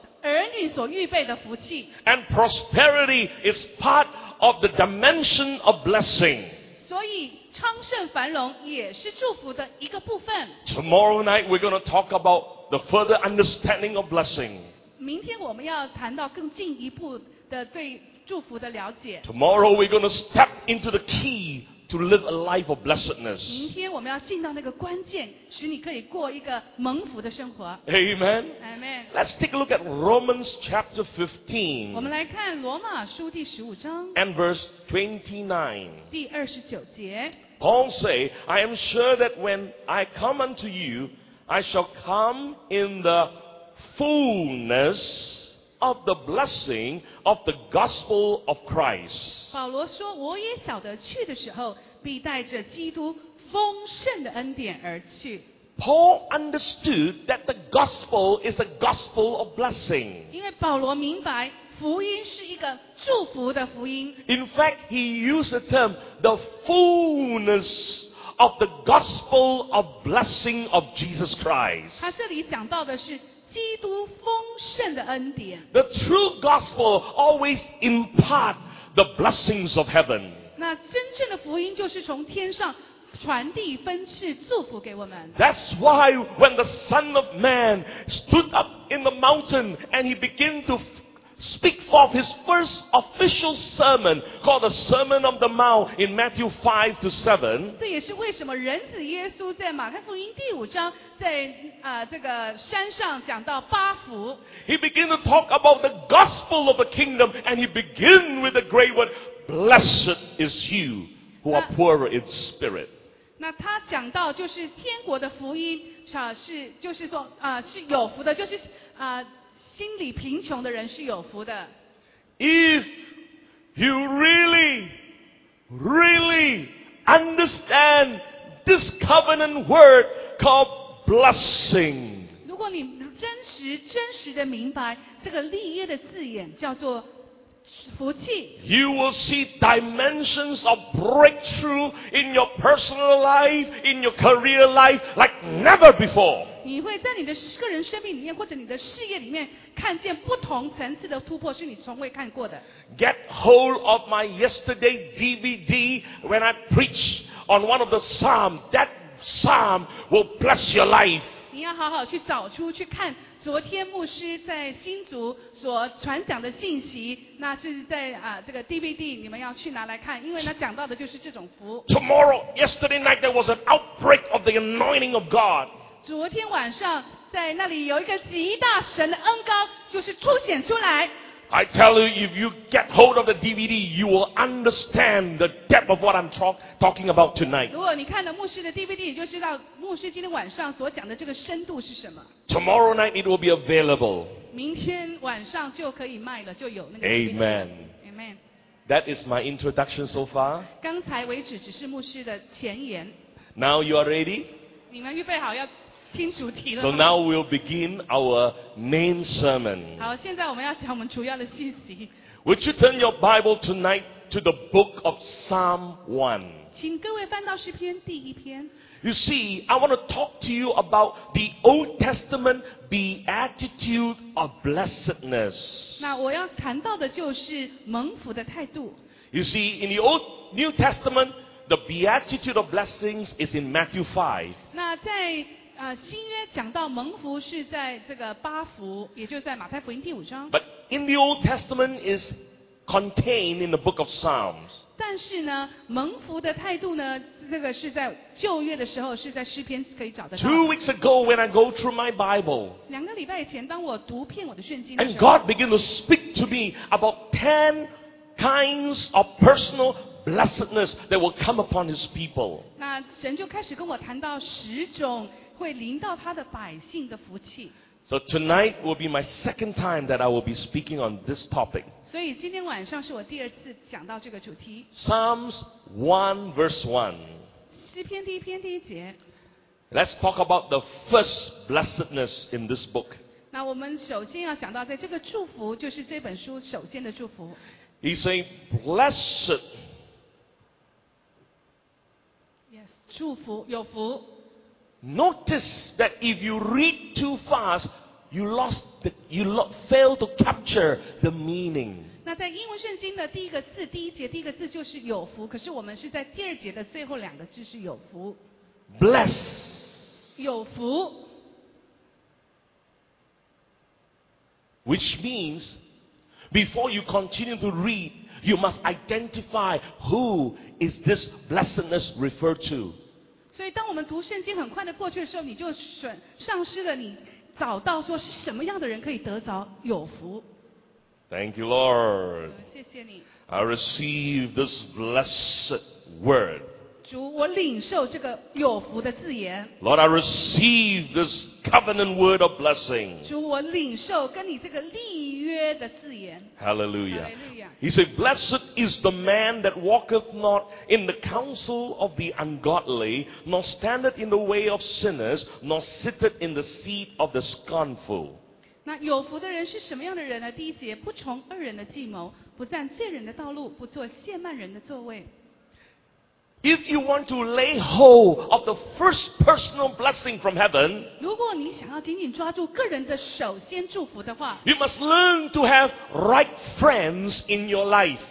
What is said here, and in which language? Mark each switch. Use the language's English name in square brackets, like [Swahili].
[Chinese] 儿女所预备的福气。 [English] And prosperity is part of the dimension of blessing. [Chinese] 所以昌盛繁荣也是祝福的一个部分。 [English] Tomorrow night we're going to talk about the further understanding of blessing. [Chinese] 明天我们要谈到更进一步的对祝福的了解。 [English] Tomorrow we're going to step into the key to live a life of blessedness. [Chinese] 明天我们要进到那个关键，使你可以过一个蒙福的生活。 [English] Amen. Amen. Let's take a look at Romans chapter 15. [Chinese] 我们来看罗马书第十五章。 [English] And verse 29. [Chinese] 第二十九节。 [English] Paul say, I am sure that when I come unto you, I shall come in the fullness. Of the blessing of the gospel of Christ. [Chinese] 保罗说，我也晓得去的时候必带着基督丰盛的恩典而去。 [English] Paul understood that the gospel is a gospel of blessing. [Chinese] 因为保罗明白福音是一个祝福的福音。 [English] In fact, he used the term the fullness of the gospel of blessing of Jesus Christ. [Chinese] 他这里讲到的是基督丰盛的恩典。 [English] The true gospel always impart the blessings of heaven. [Chinese] 那真正的福音就是从天上传递分赐祝福给我们。 [English] That's why when the Son of Man stood up in the mountain and he began to speak forth his first official sermon called the Sermon of the Mount in Matthew 5-7. [Chinese] 这也是为什么人子耶稣在马太福音第五章在这个山上讲到八福。 [English] He began to talk about the gospel of the kingdom and he began with the great word, Blessed is you who are poor in spirit. [Chinese] 那他讲到就是天国的福音是就是说是有福的就是心里贫穷的人是有福的。 [English] If you really, really understand this covenant word called blessing, [Chinese] 如果你真实的明白这个立约的字眼叫做福气， [English] you will see dimensions of breakthrough in your personal life, in your career life, like never before. [Chinese] 你会在你的个人生命里面或者你的事业里面看见不同层次的突破是你从未看过的。 [English] Get hold of my yesterday DVD when I preach on one of the psalms. That psalm will bless your life. [Chinese] 你你要好好去找出去看昨天牧师在新竹所传讲的信息，那是在这个 DVD 你们要去拿来看，因为他讲到的就是这种福。 [English] Tomorrow, yesterday night there was an outbreak of the anointing of God. [Chinese] 昨天晚上在那里有一个极大神的恩膏就是凸显出来。 [English] I tell you, if you get hold of the DVD, you will understand the depth of what I'm talking about tonight. [Chinese] 如果你看了牧师的 DVD, 你就知道牧师今天晚上所讲的这个深度是什么。 [English] Tomorrow night it will be available. [Chinese] 明天晚上就可以卖了，就有那个 DVD。 [English] Amen. Amen. That is my introduction so far. [Chinese] 刚才为止只是牧师的前言。 [English] Now you are ready? [Chinese] 你们预备好要听主题了。 [English] So now we'll begin our main sermon. [Chinese] 好，现在我们要讲我们主要的信息。 [English] Would you turn your Bible tonight to the book of Psalm 1? [Chinese] 请各位翻到诗篇第一篇。 [English] You see, I want to talk to you about the Old Testament beatitude of blessedness. [Chinese] 那我要谈到的就是蒙福的态度。 [English] You see, in the Old New Testament, the beatitude of blessings is in Matthew 5. [Chinese] 那在新约讲到蒙福是在这个八福，也就是在马太福音第五章。 [English] But in the Old Testament is contained in the book of Psalms. [Chinese] 但是呢，蒙福的态度呢，这个是在旧约的时候，是在诗篇可以找得到。 [English] Two weeks ago, when I go through my Bible, [Chinese] 两个礼拜前，当我读遍我的圣经 [English] ，and God began to speak to me about 10 kinds of personal blessedness that will come upon His people. [Chinese] 那神就开始跟我谈到十种。会临到他的百姓的福气。 [English] So tonight will be my second time that I will be speaking on this topic. [Chinese] 所以今天晚上是我第二次讲到这个主题。 [English] Psalms 1 verse 1. [Chinese] 诗篇第一篇第一节。 [English] Let's talk about the first blessedness in this book. [Chinese] 那我们首先要讲到在这个祝福就是这本书首先的祝福。 [English] He said, blessed. Yes, [Chinese] 祝福有福。 [English] Notice that if you read too fast, you fail to capture the meaning. [Chinese] 那在英文圣经的第一个字第一节第一个字就是有福，可是我们是在第二节的最后两个字是有福。 [English] Bless. [Chinese] 有福。 [English] Which means, before you continue to read, you must identify who is this blessedness referred to. [Chinese] 所以当我们读圣经很快的过去的时候你就丧失了你找到说是什么样的人可以得着有福。 [English] Thank you, Lord. [Chinese] 谢谢你。 [English] I receive this blessed word. [Chinese] 主我领受这个有福的字眼。 [English] Lord, I receive this covenant word of blessing. [Chinese] 主我领受跟你这个立约的字眼。 [English] Hallelujah. Hallelujah. He said, blessed is the man that walketh not in the counsel of the ungodly, nor standeth in the way of sinners, nor sitteth in the seat of the scornful. [Chinese] 那有福的人是什么样的人呢？第一节，不从恶人的计谋，不占罪人的道路，不坐亵慢人的座位。 [English] If you want to lay hold of the first personal blessing from heaven, [Chinese] 如果你想要紧紧抓住个人的首先祝福的话， [English] you must learn to have right friends in your life.